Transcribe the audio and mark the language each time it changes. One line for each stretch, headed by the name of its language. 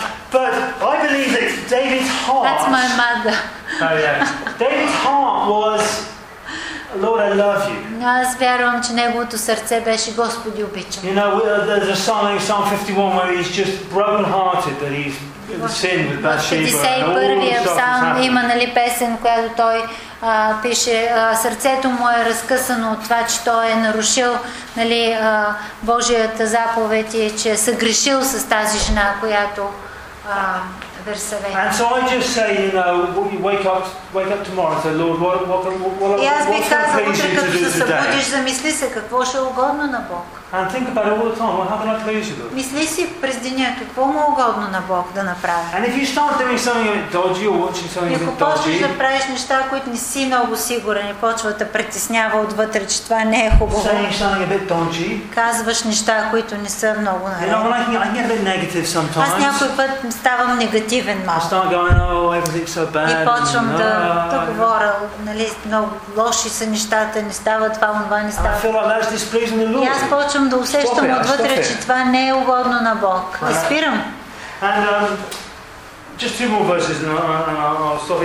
English: But I believe that David's heart. That's my mother. David's heart was, Lord, I love you.
Bulgarian: Аз вярвам, че неговото сърце беше, Господи, обичам.
English: You know, there's a song in Psalm 51 where he's just broken-hearted that he's sinned with Bathsheba.
Bulgarian: 51-я Псалм има, нали, песен, която той пише, сърцето му е разкъсано от това, че той е нарушил, нали, Божията заповед и че е съгрешил с тази жена, която
English: And so I just say, you know, wake up tomorrow and say, Lord, what's going to please you to do today?
Bulgarian: Замисли се, какво ще е угодно на Бог.
English: And think about it all the time. Well, how can I please you, Lord?
Bulgarian: Мисли си през деня какво му угодно на Бог да направи.
English: And if you start doing something dodgy or watching something dodgy.
Bulgarian: Ако почнеш да правиш неща, които не си много сигурен, и почва да притеснява отвътре, че това не е хубаво.
English: Saying something a bit dodgy.
Bulgarian: Казваш неща, които не са много наред.
English: You know, I get a bit negative sometimes.
Bulgarian: Аз някой път ставам негативен малко.
English: I start going, oh, everything's so bad.
Bulgarian: И почвам да говоря, нали, много лоши са нещата, не става това, това не става.
English: I feel like that's displeasing the Lord.
Bulgarian: Почвам да усещам отвътре, че това не е угодно на Бог. И спирам.
English: And just two more verses and I'll stop.